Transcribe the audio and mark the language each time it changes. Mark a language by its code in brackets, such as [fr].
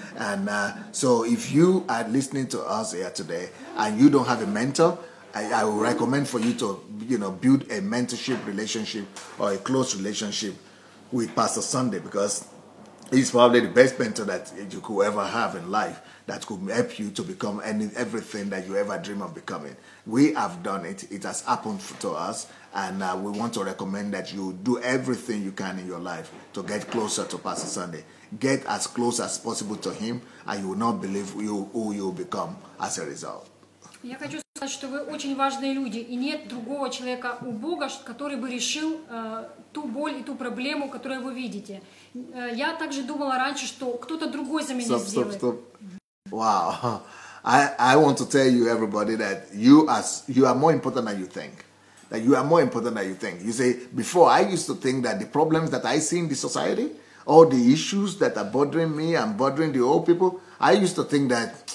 [en] And so if you are listening to us here today and you don't have a mentor, I would recommend for you to, you know, build a mentorship relationship or a close relationship with Pastor Sunday, because he's probably the best mentor that you could ever have in life that could help you to become everything that you ever dream of becoming. We have done it. It has happened to us. And we want to recommend that you do everything you can in your life to get closer to Pastor Sunday. Get as close as possible to him, and you will not believe who you will become as a result. [ru] Я хочу сказать, что вы очень важные люди, и нет другого человека у Бога, который бы решил ту боль и ту проблему, которую вы видите. Я также думала раньше, что кто-то другой за меня сделает. [en] Wow. I want to tell you, everybody, that you are more important than you think. That you are more important than you think. You see, before I used to think that the problems that I see in the society, all the issues that are bothering me and bothering the old people, I used to think that